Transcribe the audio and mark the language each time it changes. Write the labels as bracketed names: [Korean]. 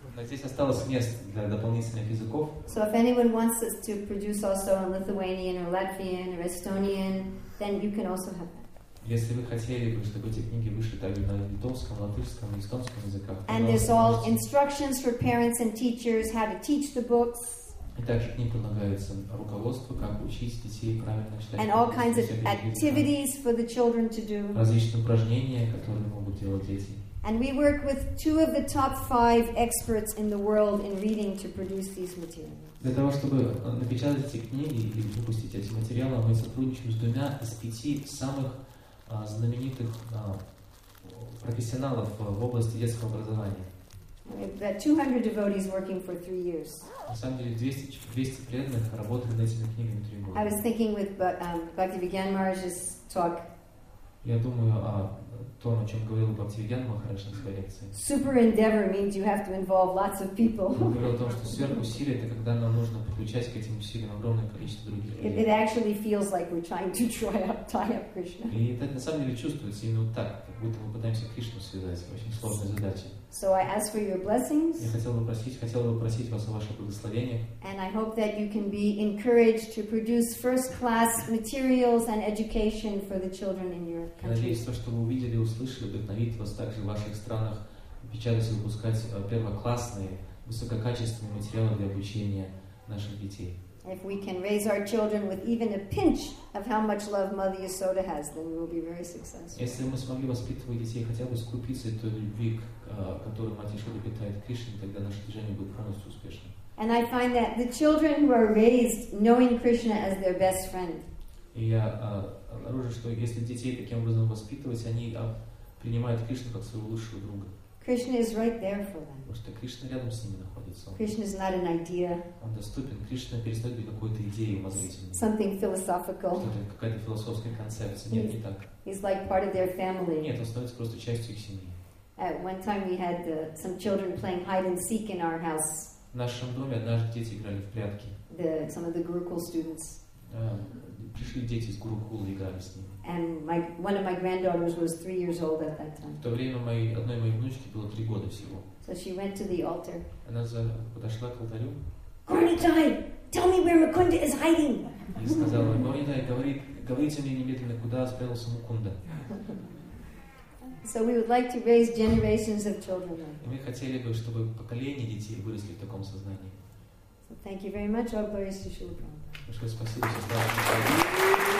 [Russian] Но здесь осталось место для дополнительных языков. [English] So if anyone wants us to produce also in Lithuanian or Latvian or Estonian, then you can also have that. [Russian] Если вы хотели бы, чтобы эти книги вышли также на литовском, латышском, эстонском языках. [English] And there's all instructions for parents and teachers how to teach the books. [Russian] И также к ним предлагается руководство, как учить детей правильно читать. [English] And all kinds of activities for the children to do. [Russian] Различные упражнения, которые могут делать дети. [English] And we work with two of the top five experts in the world in reading to produce these materials. [Russian] Для того, чтобы напечатать эти книги и выпустить эти материалы, мы сотрудничаем с двумя из пяти самых знаменитых профессионалов в области детского образования. [English] We've got 200 devotees working for 3 years. [Russian] На самом деле, 200 преданных работали над этими книгами 3 года. [English] I was thinking with Bhaktivedanta Maharaj's talk. [Russian] Я думаю о том, о чем говорил Бхактивиданта Махарадж на своей лекции. [English] Super endeavor means you have to involve lots of people. [Russian] Он говорил о том, что сверхусилие — это когда нам нужно подключать к этим усилиям огромное количество других людей. [English] It actually feels like we're trying to tie up Krishna. [Russian] И это на самом деле чувствуется именно так, как будто мы пытаемся Кришну связать. Очень сложная задача. [English] So I ask for your blessings. [Russian] Я хотел бы просить вас о ваших благословениях. [English] And I hope that you can be encouraged to produce first-class materials and education for the children in your country. [Russian] Надеюсь, то, что вы увидели и услышали, вдохновит вас также в ваших странах печатать и выпускать первоклассные, высококачественные материалы для обучения наших детей. [English] If we can raise our children with even a pinch of how much love Mother Yashoda has, then we will be very successful. [Russian] Если мы смогли воспитывать детей хотя бы с крупицей той любви, которую Мать Яшода питает Кришне, тогда наше движение будет полностью успешным. [English] And I find that the children who are raised knowing Krishna as their best friend. [Russian] И я обнаружил, что если детей таким образом воспитывать, они принимают Кришну как своего лучшего друга. [English] Krishna is right there for them. [Russian] Потому что Кришна рядом с ними находится. [English] Krishna is not an idea. [Russian] Он доступен. Кришна перестает быть какой-то идеей умозрительной. [English] Something philosophical. [Russian] Что-то, какая-то философская концепция. Нет, не так. [English] He's like part of their family. [Russian] Нет, он становится просто частью их семьи. [English] At one time we had some children playing hide and seek in our house. [Russian] В нашем доме однажды дети играли в прятки. [English] Some of the Gurukul students. [Russian] Пришли дети из Гурукула, играли с ними. [English] And one of my granddaughters was 3 years old at that time. [Russian] В то время одной моей внучки было 3 года всего. [English] So she went to the altar. [Russian] Она подошла к алтарю. [English] Gornitai, tell me where Mukunda is hiding. [Russian] И сказала: Gornitai, говорите мне немедленно, куда спрятался Мукунда. [English] So we would like to raise generations of children. [Russian] И мы хотели бы, чтобы поколения детей выросли в таком сознании. [English] So thank you very much, Abhayasthi Shilaprabhu. [Russian] Большое спасибо, Сестра.